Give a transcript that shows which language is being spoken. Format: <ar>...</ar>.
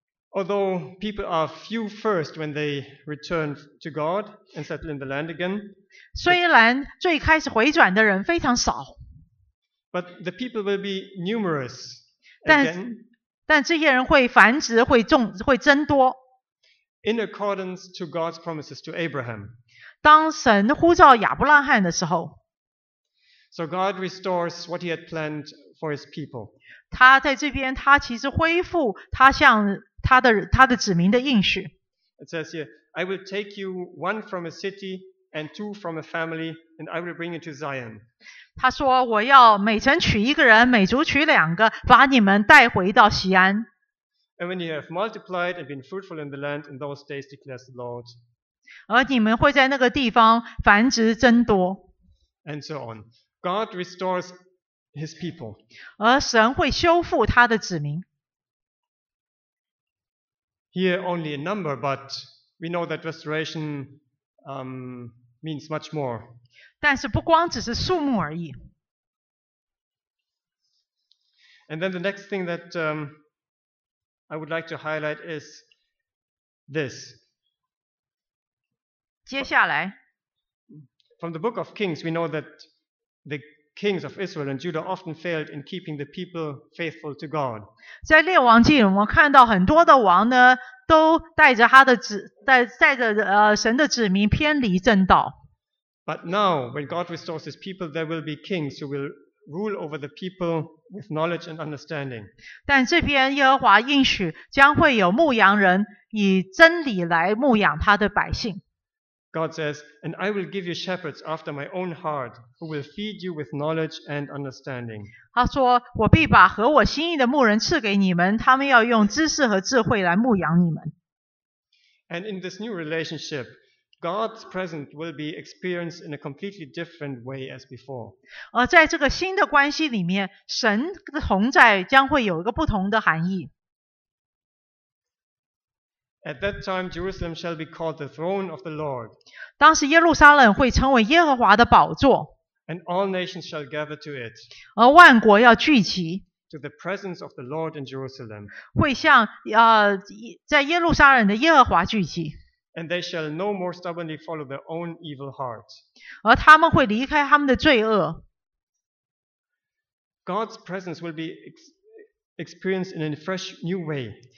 <en>Although people are few first when they return to God and settle in the land again,</en> <zh>虽然最开始回转的人非常少。</zh> <en>But the people will be numerous again.</en> <zh>但这些人会繁殖，会增多。</zh> <en>In accordance to God's promises to Abraham.</en> <zh>当神呼召亚伯拉罕的时候。</zh> <en>So God restores what He had planned for His people.</en> <zh>他在这边，他其实恢复他向他的子民的应许。</zh> <en>It says here, I will take you one from a city and two from a family, and I will bring you to Zion.</en> <zh>他说，我要每城娶一个人，每族娶两个，把你们带回到锡安。</zh> <en>And when you have multiplied and been fruitful in the land in those days, declares the Lord.</en> <zh>而你们会在那个地方繁殖增多。</zh> <en>And so on. God restores His people.</en> <zh>而神会修复他的子民。</zh> <en>Here only a number, but we know that restoration means much more.</en> <zh>但是不光只是数目而已。</zh> <en>And then the next thing that I would like to highlight is this.</en> <zh>接下来</zh> <en>From the book of Kings, we know that the kings of Israel and Judah often failed in keeping the people faithful to God.</en> <zh>在列王记我们看到很多的王呢都带着他的子带带着神的子民偏离正道。</zh> <en>But now, when God restores his people, there will be kings who will rule over the people with knowledge and understanding.</en> <zh>但这边耶和华应许将会有牧羊人以真理来牧养他的百姓。</zh> <en>God says, and I will give you shepherds after my own heart, who will feed you with knowledge and understanding.</en> <zh>他说，我必把合我心意的牧人赐给你们，他们要用知识和智慧来牧养你们。</zh> <en>And in this new relationship, God's presence will be experienced in a completely different way as before.</en> <zh>而在这个新的关系里面，神的同在将会有一个不同的含义。</zh> <en>At that time, Jerusalem shall be called the throne of the Lord.</en> <zh>当时耶路撒冷会成为耶和华的宝座。</zh> <en>And all nations shall gather to it.</en> <zh>而万国要聚集。</zh> <en>To the presence of the Lord in Jerusalem.</en> <zh>会向在耶路撒冷的耶和华聚集。</zh> <en>And they shall no more stubbornly follow their own evil heart.</en> <zh>而他们会离开他们的罪恶。</zh> <en>God's presence will be experience in a fresh new way.</en>